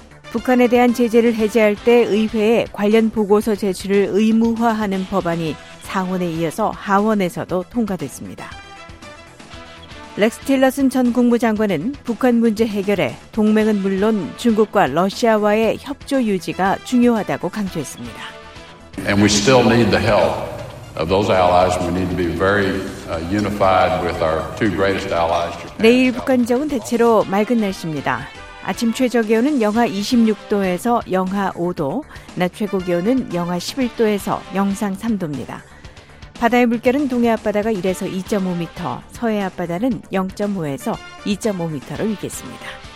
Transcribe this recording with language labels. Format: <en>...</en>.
<ko>북한에 대한 제재를 해제할 때 의회에 관련 보고서 제출을 의무화하는 법안이 상원에 이어서 하원에서도 통과됐습니다. 렉스 틸러슨 전 국무장관은 북한 문제 해결에 동맹은 물론 중국과 러시아와의 협조 유지가 중요하다고 강조했습니다.</ko> <en>And we still need the help of those allies. We need to be very unified with our two greatest allies.</en> <ko>내일 북한 지역은 대체로 맑은 날씨입니다. 아침 최저 기온은 영하 26도에서 영하 5도, 낮 최고 기온은 영하 11도에서 영상 3도입니다. 바다의 물결은 동해 앞바다가 1에서 2.5m, 서해 앞바다는 0.5에서 2.5m로 일겠습니다.</ko>